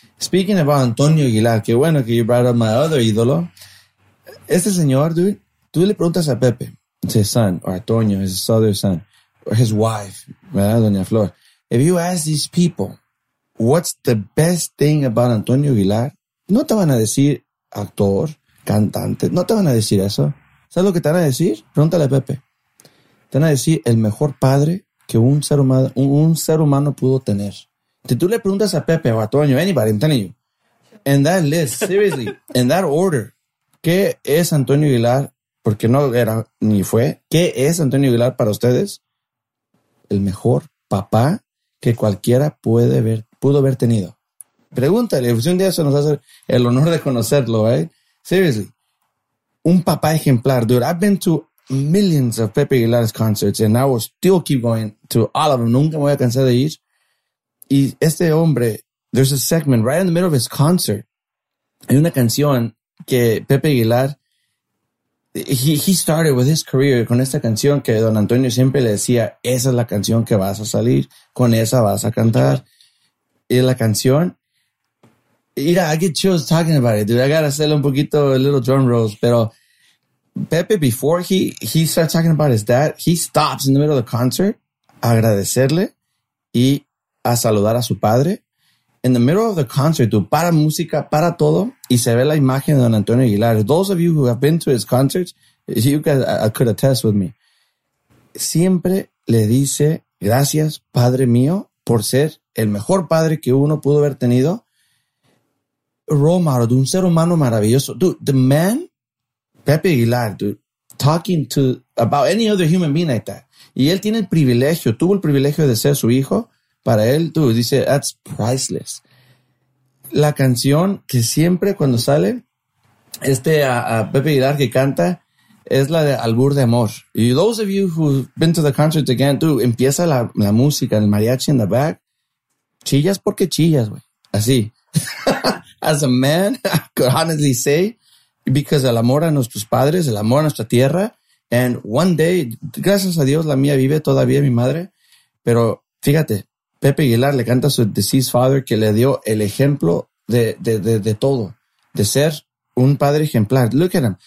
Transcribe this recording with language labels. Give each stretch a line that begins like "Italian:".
English: Speaking about Antonio Aguilar, qué bueno que you brought up my other ídolo. Este señor, dude, tú le preguntas a Pepe, his son, or Antonio, his other son, or his wife, ¿verdad, Doña Flor? If you ask these people, what's the best thing about Antonio Aguilar?
Spanish: No te van a decir actor, cantante, no te van a decir eso. ¿Sabes lo que te van a decir? Pregúntale a Pepe. Te van a decir el mejor padre que un ser humano pudo tener.
English: Si tú le preguntas a Pepe o a Toño, anybody, I'm telling you. In that list, seriously, in that order, ¿qué es Antonio Aguilar?
Spanish: Porque no era ni fue. ¿Qué es Antonio Aguilar para ustedes? El mejor papá que cualquiera pudo haber tenido. Pregúntale, si un día eso nos hace el honor de conocerlo, right? Seriously. Un papá ejemplar, dude.
English: I've been to millions of Pepe Aguilar's concerts and I will still keep going to all of them.
Spanish: Nunca me voy a cansar de ir. Y este hombre, there's a segment right in the middle of his concert. Hay una canción que Pepe Aguilar, he started with his career con esta canción que Don Antonio siempre le decía, esa es la canción que vas a salir, con esa vas a cantar.
English: Y la canción, mira, I get chills talking about it, dude. I gotta sell un poquito, a little drum rolls. Pero Pepe, before he starts talking about his dad, he stops in the middle of the concert a agradecerle y a saludar a su padre.
Spanish: In the middle of the concert, dude, para música, para todo, y se ve la imagen de Don Antonio Aguilar.
English: Those of you who have been to his concerts, you guys, I could attest with me.
Spanish: Siempre le dice, gracias, padre mío, por ser el mejor padre que uno pudo haber tenido. Romaro, de un ser humano maravilloso.
English: Dude, the man, Pepe Aguilar, dude, talking to about any other human being like that.
Spanish: Y él tiene el privilegio, tuvo el privilegio de ser su hijo. Para él, dude, dice, that's priceless. La canción que siempre cuando sale, a Pepe Aguilar que canta, es la de Albur de Amor.
English: Y those of you who've been to the concert again, dude, empieza la música, el mariachi in the back.
Spanish: Chillas porque chillas, güey. Así. As a man, I could honestly say, because el amor a nuestros padres, el amor a nuestra tierra, and one day, gracias a Dios, la mía vive todavía, mi madre, pero fíjate, Pepe Aguilar le canta a su deceased father que le dio el ejemplo de todo, de ser un padre ejemplar. Look at him.